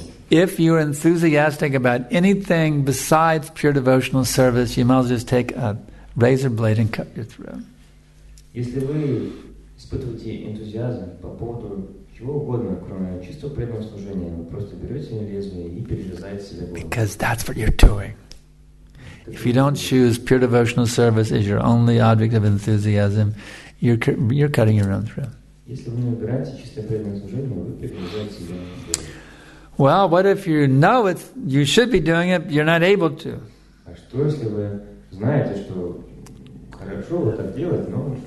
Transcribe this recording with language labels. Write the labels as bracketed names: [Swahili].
[English] If you're enthusiastic about anything besides pure devotional service, you might as well just take a razor blade and cut your throat. [Russian] Если вы испытываете энтузиазм по поводу чего угодно, кроме чистого преданного служения, вы просто берете лезвие и перерезаете себе горло. [English] Because that's what you're doing. If you don't choose pure devotional service as your only object of enthusiasm, you're cutting your own throat. [Russian] Если вы не выбираете чистое преданное служение, вы перерезаете себе горло. [English] Well, what if you know it? You should be doing it, but you're not able to. [Russian] А что если вы знаете, что хорошо вот так делать, но